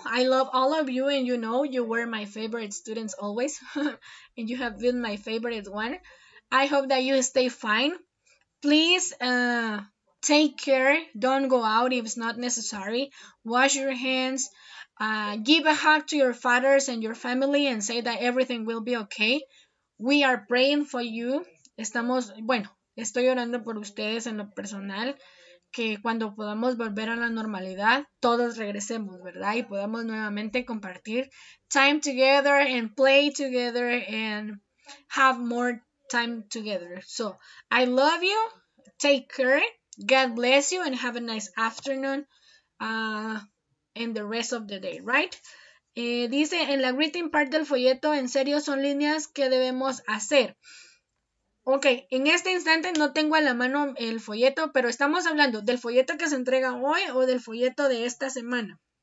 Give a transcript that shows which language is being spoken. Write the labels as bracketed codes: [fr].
[en] I love all of you, and you know you were my favorite students always, and you have been my favorite one. I hope that you stay fine. Please take care. Don't go out if it's not necessary. Wash your hands. Give a hug to your fathers and your family and say that everything will be okay. We are praying for you. [es] Estamos, bueno, estoy orando por ustedes en lo personal, que cuando podamos volver a la normalidad, todos regresemos, ¿verdad? Y podamos nuevamente compartir [en] time together and play together and have more time together. So, I love you. Take care. God bless you and have a nice afternoon and the rest of the day, right? [es] Dice, en la [en] greeting part [es] del folleto, en serio, son líneas que debemos hacer. Ok, en este instante no tengo a la mano el folleto, pero estamos hablando del folleto que se entrega hoy o del folleto de esta semana.